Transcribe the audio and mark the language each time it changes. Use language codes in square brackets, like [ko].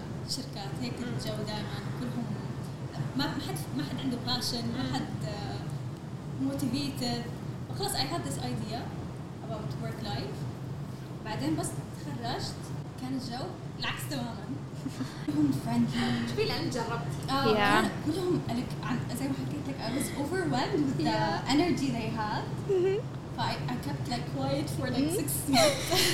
[ar] شركات هيك الجو دائماً كلهم ما حد عنده passion, ما حد motivated. [en] وخلاص I had this idea about work life. [ar] بعدين بس تخرجت كان الجو العكس تماماً. كلهم friendly. شوفي لأن جربت. [en] كلهم لك زي ما حكيت لك I was overwhelmed with the energy they had. I kept like quiet for like 6 months.